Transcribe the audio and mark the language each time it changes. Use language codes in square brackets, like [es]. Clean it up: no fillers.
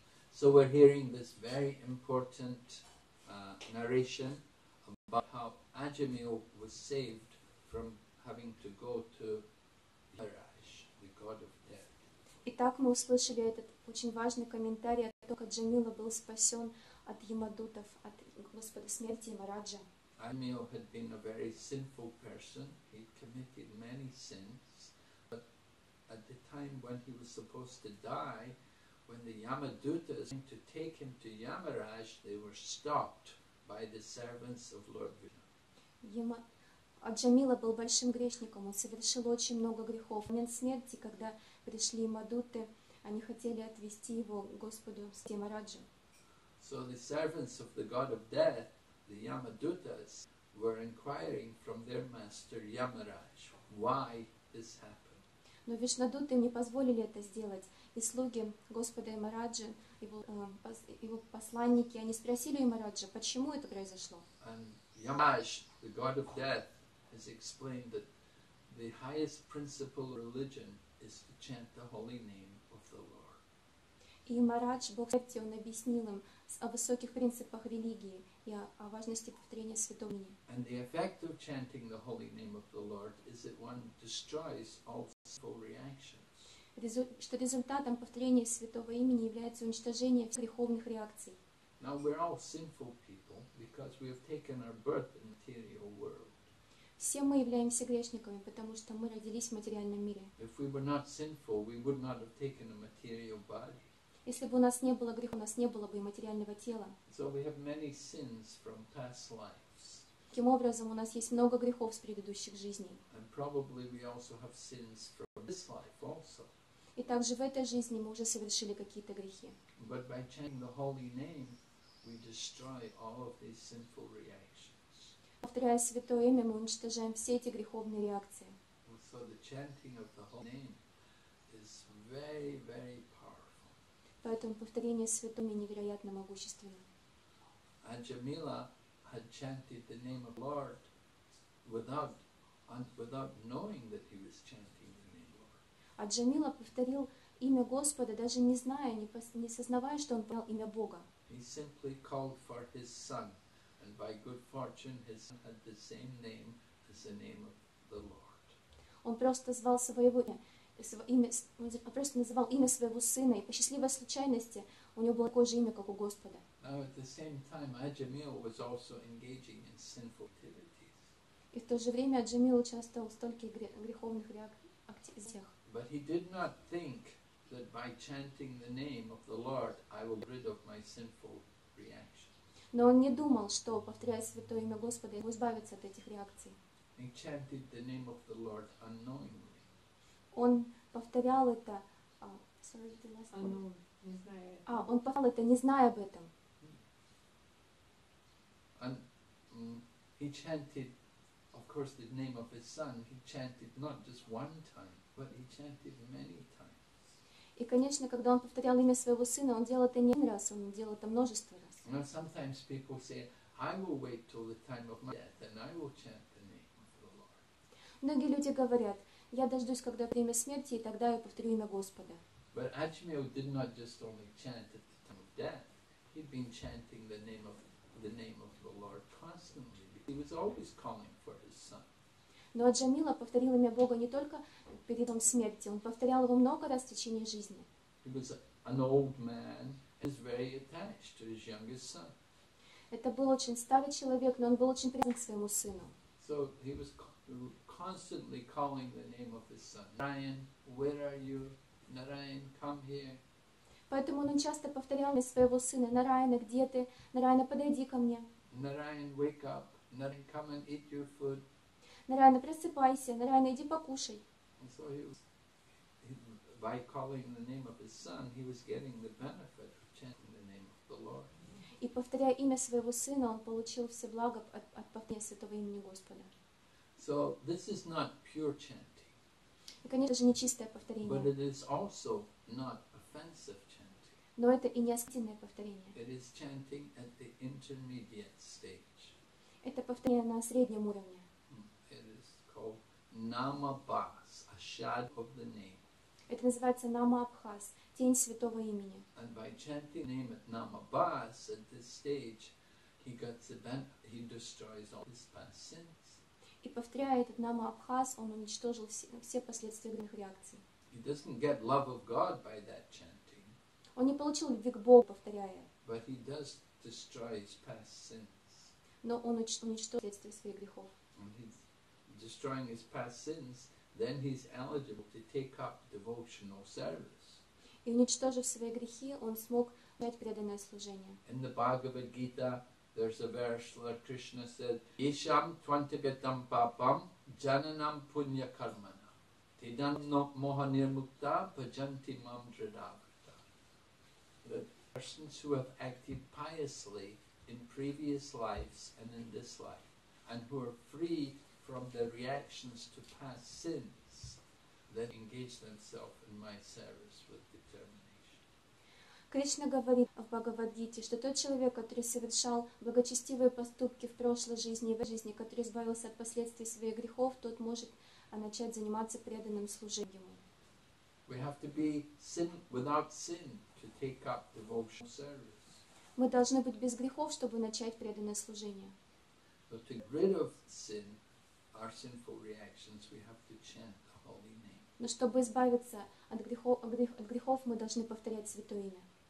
[en] So we're hearing this very important narration about how Ajamil was saved from having to go to Yaraj, the god of death. [ru] Итак, мы услышали этот очень важный комментарий. Только Джамила был спасен от Ямадутов, от Господа Смерти и Мараджа. [en] Ajamil had been a very sinful person. He committed many sins. But at the time when he was supposed to die, when the Yamadutas came to take him to Yamaraj, they were stopped by the servants of Lord Vishnu. [ru] Ajamila был большим грешником. Он совершил очень много грехов. В момент смерти, когда пришли Ямадуты, они хотели отвести его к Господу Сьямараджу. [en] So the servants of the god of death, the Yamadutas, were inquiring from their master Yamaraj, why this happened. [ru] Но Вишнадуты не позволили это сделать. И слуги Господа Ямараджа, его посланники, они спросили Ямараджа, почему это произошло. [en] And Yamaraj, the god of death, has explained that the highest principle of religion is to chant the holy name. [ru] И Марадж, Бог Смерти, он объяснил им о высоких принципах религии и о важности повторения святого имени. [en] And the effect of chanting the holy name of the Lord is that one destroys all sinful reactions. [ru] Что результатом повторения святого имени является уничтожение всех греховных реакций. [en] Now we're all sinful people because we have taken our birth in the material world. [ru] Все мы являемся грешниками, потому что мы родились в материальном мире. [en] If we were not sinful, we would not have taken a material body. [ru] Если бы у нас не было греха, у нас не было бы и материального тела. [en] So we have many sins from past lives. [ru] Таким образом, у нас есть много грехов с предыдущих жизней. [en] And probably we also have sins from this life also. [ru] И также в этой жизни мы уже совершили какие-то грехи. [en] But by chanting the holy name, we destroy all of these sinful reactions. [ru] Повторяя святое имя, мы уничтожаем все эти греховные реакции. [en] So the chanting of the holy name is very, very [ru] Поэтому повторение святого имени невероятно могущественно. [en] Ajamila had chanted the name of Lord without knowing that he was chanting the name of Lord. [ru] Ajamila повторил имя Господа, даже не зная, не сознавая, что он повторял имя Бога. [en] He simply called for his son, and by good fortune his son had the same name as the name of the Lord. [ru] Он просто звал своего имя. Он просто называл имя своего сына, и по счастливой случайности у него было такое же имя, как у Господа. [en] Now, at the same time, Ajamil was also engaging in sinful activities. [ru] И в то же время Ajamil участвовал в стольких греховных реакциях. [en] But he did not think that by chanting the name of the Lord, I will get rid of my sinful reaction. [ru] Но он не думал, что, повторяя святое имя Господа, его избавится от этих реакций. [en] He chanted the name of the Lord unknowingly. [ru] Он повторял это, он повторял это, не зная об этом. [en] And he chanted, of course, the name of his son. He chanted not just one time, but he chanted many times. [ru] И, конечно, когда он повторял имя своего сына, он делал это не один раз, он делал это множество раз. [en] And sometimes people say, I will wait till the time of my death and I will chant the name of the Lord. [ru] Многие люди говорят, я дождусь, когда время смерти, и тогда я повторю имя Господа. [en] But Ajmal did not just only chant at the time of death. He'd been chanting the name of the Lord constantly. He was always calling for his son. [ru] Но Аджамила повторил имя Бога не только перед тем смерти, он повторял его много раз в течение жизни. [en] He was an old man, is very attached to his youngest son. [ru] Это был очень старый человек, но он был очень привязан к своему сыну. [en] So he was constantly calling the name of his son. Narayan, where are you? Narayan, come here. [ru] Поэтому он часто повторял имя своего сына. Нараяна, где ты? Нараяна, подойди ко мне. [en] Narayan, wake up. Narayan, come and eat your food. [ru] Нараяна, просыпайся. Нараяна, иди покушай. [en] And so he was, by calling the name of his son, he was getting the benefit of chanting the name of the Lord. [ru] И повторяя имя своего сына, он получил все блага от повторения святого имени Господа. [en] So this is not pure chanting. [ru] И, конечно же, не чистое повторение. [en] But it is also not offensive chanting. [ru] Но это и не оскорбительное повторение. [en] It is chanting at the intermediate stage. [ru] Это повторение на среднем уровне. [en] It is called Namabhas, a shadow of the name. [ru] Это называется Namabhas, тень святого имени. [en] And by chanting the name at Namabhas at this stage, he destroys all his past sins. [ru] И повторяя этот Намабхас, он уничтожил все последствия грехов реакции. [en] He doesn't get love of God by that chanting. [ru] Он не получил любви к Богу, повторяя. [en] But he does destroy his past sins. [ru] Но он уничтожил последствия своих грехов. [en] And he's destroying his past sins, then he's eligible to take up devotional service. [ru] И уничтожив свои грехи, он смог начать преданное служение. [en] In the Bhagavad Gita, there's a verse where Krishna said, [sa] Isham Twantigatam Papam Jananam Punya Karmana Tidam no Mohanirmukta Pajanti Mam Dridavrita. [en] The persons who have acted piously in previous lives and in this life, and who are free from their reactions to past sins, then engage themselves in my service with determination. [ru] Кришна говорит в Бхагавад-гите, что тот человек, который совершал благочестивые поступки в прошлой жизни и в этой жизни, который избавился от последствий своих грехов, тот может начать заниматься преданным служением. [en] We have to be sin without sin to take up devotional service. [ru] Мы должны быть без грехов, чтобы начать преданное служение. [en] But to get rid of sin, our sinful reactions, we have to chant the holy name. [ru] Но чтобы избавиться от грехов, мы должны повторять святое имя.